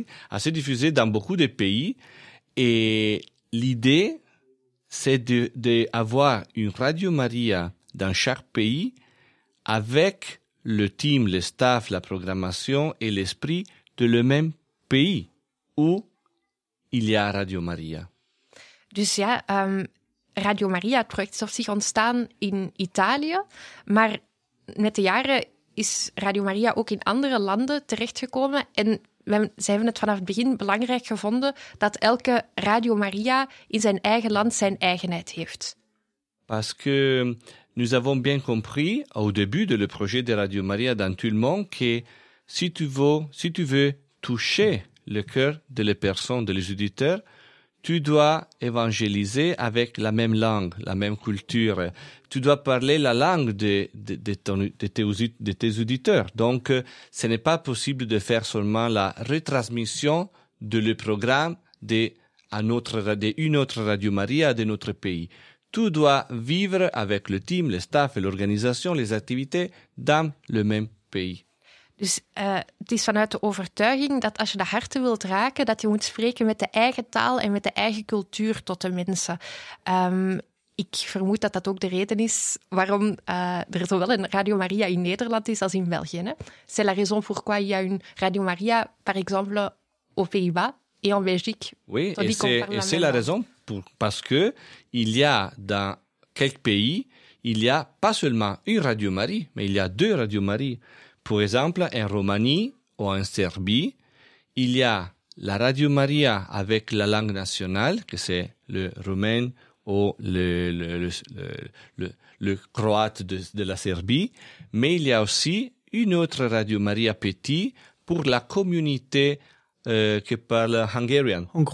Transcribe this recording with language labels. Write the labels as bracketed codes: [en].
[fr] À se diffuser dans beaucoup de pays. Et l'idée, c'est d'avoir une Radio Maria dans chaque pays avec le team, le staff, la programmation et l'esprit de le même pays où il y a Radio Maria. [nl] Dus ja, Radio Maria, het project is op zich ontstaan in Italië, maar met de jaren... is Radio Maria ook in andere landen terechtgekomen. En zij hebben het vanaf het begin belangrijk gevonden dat elke Radio Maria in zijn eigen land zijn eigenheid heeft. [fr] Parce que nous avons bien compris au début de le projet de Radio Maria dans tout le monde que si tu veux toucher le cœur de les personnes, de les auditeurs, tu dois évangéliser avec la même langue, la même culture. Tu dois parler la langue de tes auditeurs. Donc, ce n'est pas possible de faire seulement la retransmission de le programme d'une autre Radio Maria de notre pays. Tu dois vivre avec le team, le staff, l'organisation, les activités dans le même pays. [nl] Dus het is vanuit de overtuiging dat als je de harten wilt raken, dat je moet spreken met de eigen taal en met de eigen cultuur tot de mensen. Ik vermoed dat dat ook de reden is waarom er zowel een Radio Maria in Nederland is als in België. Hè? [fr] C'est la raison pourquoi il y a une Radio Maria, par exemple, aux Pays-Bas et en Belgique. Oui, et c'est la raison parce que il y a dans quelques pays, il y a pas seulement une Radio Maria, mais il y a deux Radio Maria. Par exemple, en Roumanie ou en Serbie, il y a la Radio Maria avec la langue nationale, que c'est le roumain ou le croate de la Serbie, mais il y a aussi une autre Radio Maria petite pour la communauté qui parle hungarian,